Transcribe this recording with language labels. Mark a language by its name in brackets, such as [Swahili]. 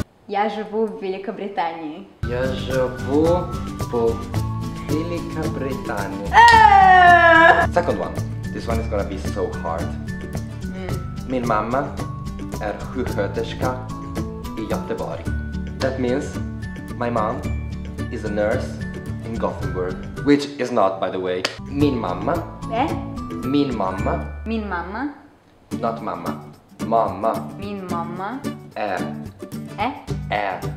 [Russian] Я живу в Великобритании. Я живу в Великобритании. [English] Second one. This one is gonna be so hard. [Swedish] Min mamma är sjuksköterska I Göteborg. [English] That means my mom is a nurse in Gothenburg, which is not, by the way. [Swedish] Min mamma. Eh? Min mamma. Min mamma. [English] Not mamma. Mamma. [Swedish] Min mamma. Är. Eh? Är.